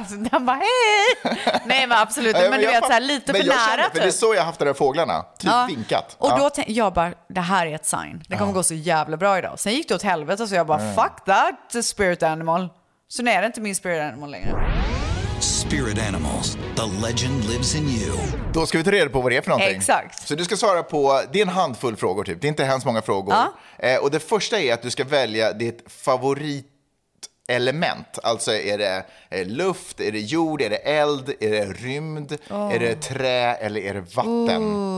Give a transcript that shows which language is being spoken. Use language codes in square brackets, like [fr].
[sv] Den bara hej. Nej men absolut, men du vet så här, lite men för jag nära känner, för det är så jag haft de där fåglarna, typ ja. Vinkat. Och ja. Då jag bara, det här är ett sign. Det kommer gå så jävla bra idag. Sen gick det åt helvete och så jag bara, [en] fuck that spirit animal. [sv] Så nu är det inte min spirit animal längre. [en] Spirit animals, the legend lives in you. [sv] Då ska vi ta reda på vad det är för någonting. Exakt. Så du ska svara på, det är en handfull frågor typ. Det är inte hemskt många frågor. Och det första är att du ska välja ditt favoritelement. Alltså är det luft, är det jord, är det eld, är det rymd, är det trä eller är det vatten?